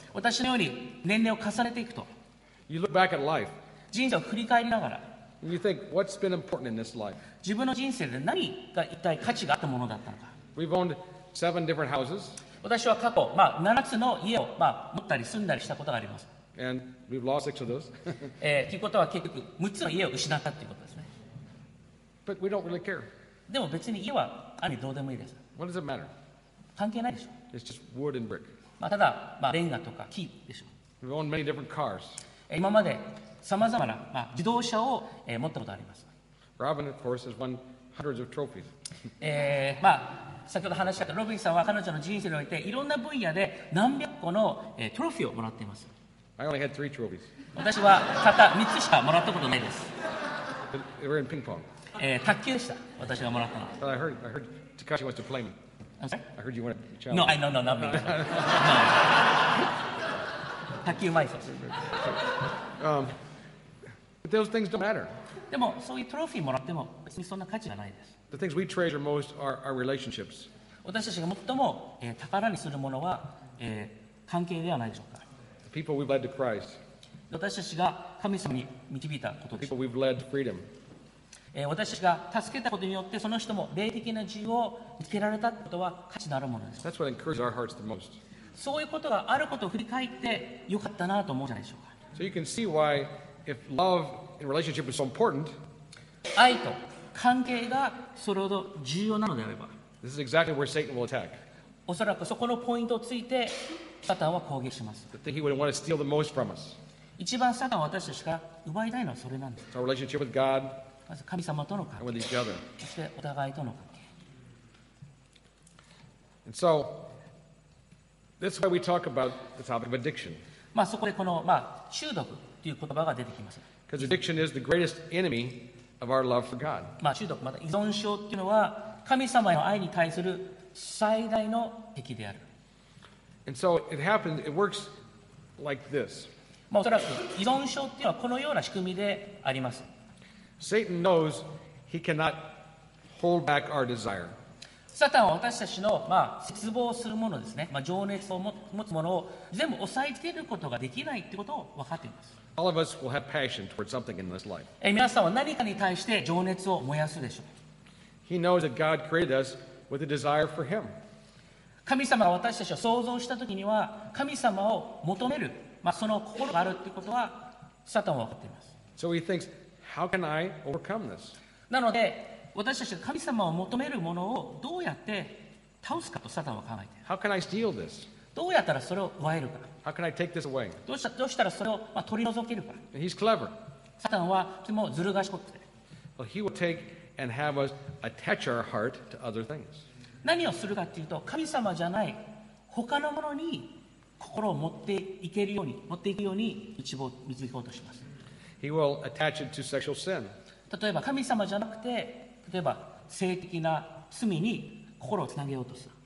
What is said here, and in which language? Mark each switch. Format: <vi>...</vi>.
<ja>私のように年齢を重ねていくと、</ja> <en>you look back at life.</en> <ja>人生を振り返りながら、</ja> <en>and you think, what's been important in this life?</en> <ja>自分の人生で何が一体価値があったものだったのか。</ja> <en>We've owned seven different houses.</en> <ja>私は過去、まあ、7つの家を、まあ、持ったり住んだりしたことがあります。</ja> <en>And we've lost six of those.</en> <ja>ということは結局6つの家を失ったということですね。</ja> <en>But we don't really care.</en> <ja>でも別に家はあまりどうでもいいです。</ja> <en>What does it matter?</en> <ja>関係ないでしょ。</ja> <en>It's just wood and brick.</en> <ja>まあ、ただ、まあ、レンガとか木でしょ。</ja> <en>We've owned many different cars.</en> <ja>今までさまざまな、まあ、自動車を、持ったことがあります。</ja> <en>Robin, of course, has won hundreds of trophies.</en> <ja>まあ、先ほど話したロビンさんは彼女の人生においていろんな分野で何百個の、トロフィーをもらっています。</ja> <en>I only had three trophies.</en> <ja>私はたった3つしかもらったことないです。</ja> <en>They were in ping pong.</en> <ja>卓球でした、私がもらったのは。</ja> <en>But I heard Takashi wants to play me. I'm sorry? I heard you want to challenge. No, I know, no, not me. No.</en> <ja>卓球うまいぞ。</ja> <en>But those things don't matter.</en> <ja>でも、そういうトロフィーもらっても、別にそんな価値がないです。</ja> <en>The things we treasure most are our relationships.</en> <ja>私たちが最も、宝にするものは、関係ではないでしょうか。</ja> <en>The people we've led to Christ.</en> <ja>私たちが神様に導いたことです。</ja> <en>The people we've led to freedom.</en> <ja>私たちが助けたことによってその人も霊的な自由を受けられたことは価値のあるものです。</ja> <en>That's what encourages our hearts the most.</en> <ja>そういうことがあることを振り返ってよかったなと思うじゃないでしょうか。</ja> <en>So you can see why if love and relationship is so important,</en> <ja>愛と関係がそれほど重要なのであれば、</ja> <en>This is exactly where Satan will attack.</en> <ja>おそらくそこのポイントをついてサタンは攻撃します。</ja> <en>The thing he would want to steal the most from us.</en> <ja>一番サタンは私たちが奪いたいのはそれなんです。</ja> <en>It's our relationship with God.</en> <ja>まず神様との関係、そしてお互いとの関係。</ja> <en>And so, this is why we talk about the topic of addiction.</en> <ja>まあそこでこの、まあ、中毒という言葉が出てきます。</ja> <en>Because addiction is the greatest enemy of our love for God.</en> <ja>まあ中毒、また依存症というのは神様への愛に対する最大の敵である。</ja> <en>And so it happens, it works like this.</en> <ja>まあおそらく依存症というのはこのような仕組みであります。</ja> <en>Satan knows he cannot hold back our desire.</en> <ja>サタンは私たちの、まあ、失望するものですね、まあ、情熱を持つものを全部抑えつけることができないということを分かっています。</ja> <en>All of us will have passion towards something in this life.</en> <ja>皆さんは何かに対して情熱を燃やすでしょう。</ja> <en>He knows that God created us with a desire for him.</en> <ja>神様が私たちを創造した時には神様を求める、まあ、その心があるということはサタンは分かっています。</ja> <en>So he thinks, how can I overcome this?</en> <ja>なので私たちが神様を求めるものをどうやって倒すかとサタンは考えています。</ja> <en>How can I steal this?</en> <ja>どうやったらそれを奪えるか。</ja> <en>How can I take this away?</en> <ja>どうしたらそれを、まあ、取り除けるか。</ja> <en>He's clever.</en> <ja>サタンはとてもずる賢くて。</ja> <en>Well, he will take and have us attach our heart to other things.</en> <ja>何をするかというと、神様じゃない他のものに心を持っていけるように、持っていくように導こうとします。</ja> <en>He will attach it to sexual sin.</en> <ja>例えば神様じゃなくて、例えば性的な罪に心をつなげようとする。</ja>